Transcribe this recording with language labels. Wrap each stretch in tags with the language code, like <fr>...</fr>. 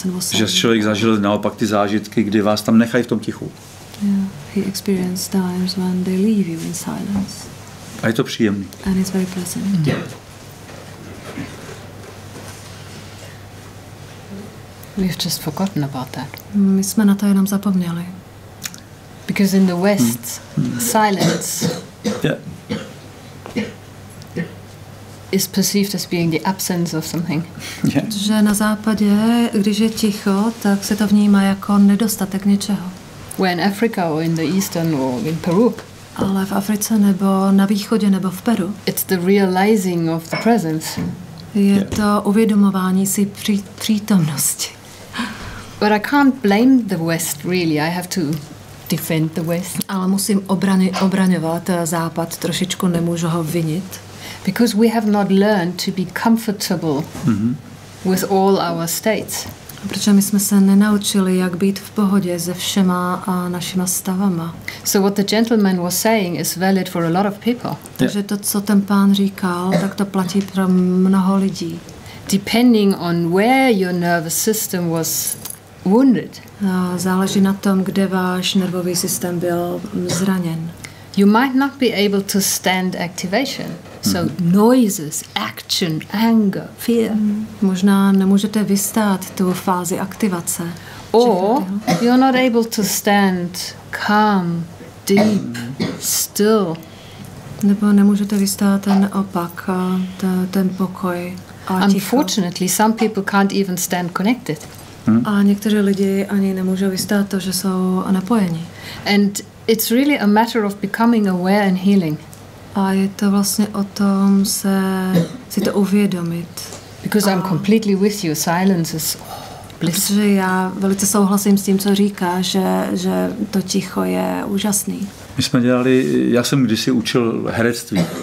<cs>Že člověk zažil naopak ty zážitky, kdy vás tam nechají v tom tichu.</cs> <en>Yeah, he experienced times when they leave you in silence.</en> <cs>A je to příjemný.</cs> <en>And it's very pleasant. Yeah. We've just forgotten about that.</en> <cs>My jsme na to jenom zapomněli.</cs> <en>Because in the West, silence is perceived as being the absence of something. Yeah.</en> <cs>Že na západě, když je ticho, tak se to vnímá jako nedostatek něčeho.</cs> <en>Where in Africa or in the Eastern or in Peru.</en> <cs>Ale v Africe nebo na východě nebo v Peru.</cs> <en>It's the realizing of the presence.</en> <cs>Je to uvědomování si přítomnosti.</cs> <en>But I can't blame the West, really. I have to defend the West.</en> <cs>Ale musím obraňovat Západ, trošičku nemůžu ho vinit.</cs> <en>Because we have not learned to be comfortable with all our states.</en> <cs>Protože my jsme se nenaučili, jak být v pohodě se všema a našima stavama.</cs> <en>So what the gentleman was saying is valid for a lot of people.</en> <cs>Takže to, co ten pán říkal, tak to platí pro mnoho lidí.</cs> <en>Depending on where your nervous system was wounded.</en> <cs>Záleží na tom, kde váš nervový systém byl zraněn.</cs> <en>You might not be able to stand activation. So noises, action, anger, fear.</en> <cs>Možná nemůžete vystát tu fázi aktivace.</cs> <en>Or you're not able to stand calm, deep, still.</en> <cs>Nebo nemůžete vystát ten opak, ten pokoj a ticho.</cs> <en>Unfortunately, some people can't even stand connected.</en> <cs>A někteří lidi ani nemůžou vystát to, že jsou napojeni.</cs> <en>And it's really a matter of becoming aware and healing.</en> <cs>A je to vlastně o tom se si to uvědomit.</cs> <en>Because I'm completely with you. Silence is bliss.</en> <cs>Protože já velice souhlasím s tím, co říká, že to ticho je úžasný. My jsme dělali, já jsem kdysi učil herectví.</cs>